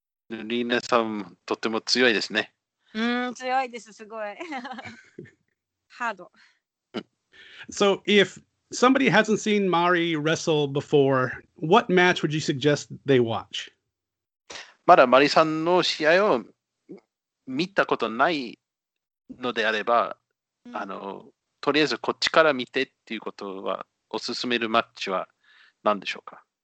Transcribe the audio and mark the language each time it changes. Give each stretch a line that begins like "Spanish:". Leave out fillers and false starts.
Japanese: リーナさんとても強いですね。強いです。すごい。ハード。
English: So if somebody hasn't seen Mari wrestle before, what match would you suggest they watch?
Japanese: まだマリさんの試合を見たことないのであれば、とりあえずこっちから見てっていうことはおすすめるマッチは何でしょうか？